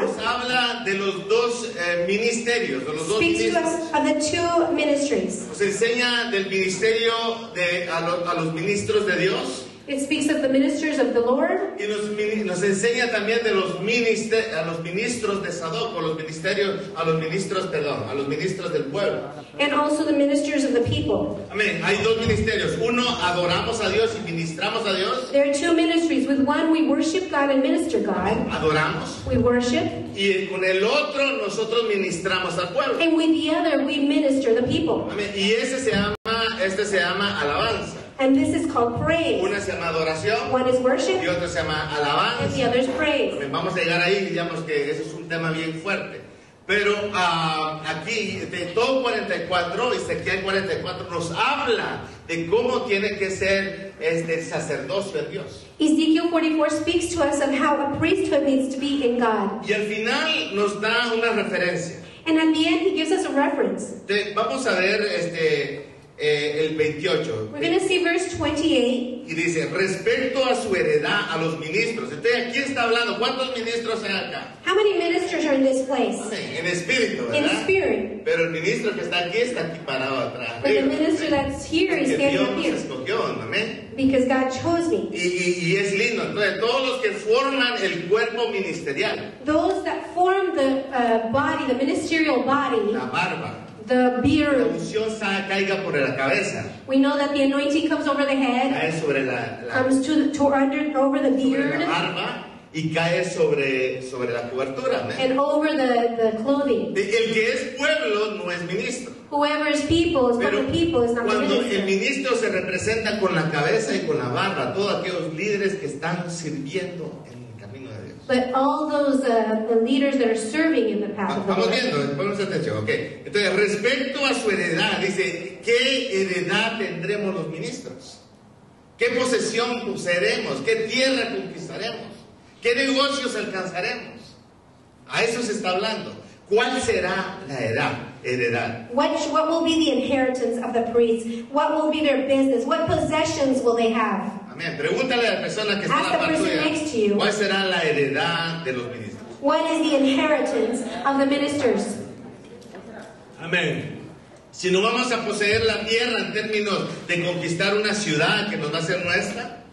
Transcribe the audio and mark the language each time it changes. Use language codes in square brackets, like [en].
[es] nos habla de los dos ministerios, de los dos [en] ministerios. Of the two ministries. [es] Nos enseña del ministerio de a los ministros de Dios. [en] It speaks of the ministers of the Lord. [es] Y nos enseña también de los a los ministros de Sadoc, o los ministerios, a los ministros del pueblo. [en] And also the ministers of the people. [es] Amén. Hay dos ministerios. Uno, adoramos a Dios y ministramos a Dios. [en] There are two ministries. With one, we worship God and minister God. [es] Amén. Adoramos. [en] We worship. [es] Y con el otro, nosotros ministramos al pueblo. [en] And with the other, we minister the people. [es] Amén. Y ese se llama, alabanza. [en] And this is called praise. [es] Una se llama adoración. [en] One is worship. [es] Y otra se llama alabanza. [en] And the other is praise. [es] Vamos a llegar ahí, digamos que eso es un tema bien fuerte. Pero aquí, de todo 44, Ezequiel 44, nos habla de cómo tiene que ser el sacerdocio de Dios. [en] Ezekiel 44 speaks to us of how a priesthood needs to be in God. [es] Y al final nos da una referencia. [en] And at the end he gives us a reference. [es] Vamos a ver el 28. [en] We're going to see verse 28. [es] Y dice, respecto a su heredad, a los ministros. Entonces, ¿quién está hablando? ¿Cuántos ministros hay acá? [en] How many ministers are in this place? [es] Okay, en espíritu, ¿verdad? [en] In spirit. [es] Pero el ministro que está aquí parado atrás. [en] But the minister that's here is standing [es] Dios [en] here. [es] Escogió, ¿amén? [en] Because God chose me. [es] Y es lindo. Entonces, todos los que forman el cuerpo ministerial. [en] Those that form the body, the ministerial body. [es] La barba. [en] The beard. [es] La unción caiga por la cabeza. [en] We know that the anointing comes over the head. [es] Cae sobre [en] comes to the over the beard. [es] Sobre la barba y cae sobre la cobertura. [en] And over the clothing. [es] El que es pueblo no es ministro. [en] Whoever is people is not people. [es] Cuando el ministro se representa con la cabeza y con la barba, todos aquellos líderes que están sirviendo. [en] But all those the leaders that are serving in the path of the Lord. [es] Estamos viendo, ponemos atención, okay. Entonces, respecto a su heredad, dice, ¿qué heredad tendremos los ministros? ¿Qué posesión poseeremos? ¿Qué tierra conquistaremos? ¿Qué negocios alcanzaremos? A eso se está hablando. ¿Cuál será la heredad? [en] What will be the inheritance of the priests? What will be their business? What possessions will they have? [es] Amén. Pregúntale a la persona que está a la par tuya. ¿Cuál será la heredad de los ministros? [en] What is the inheritance of the ministers? [es] Amén. Si no vamos a poseer la tierra en términos de conquistar una ciudad que nos va a ser nuestra.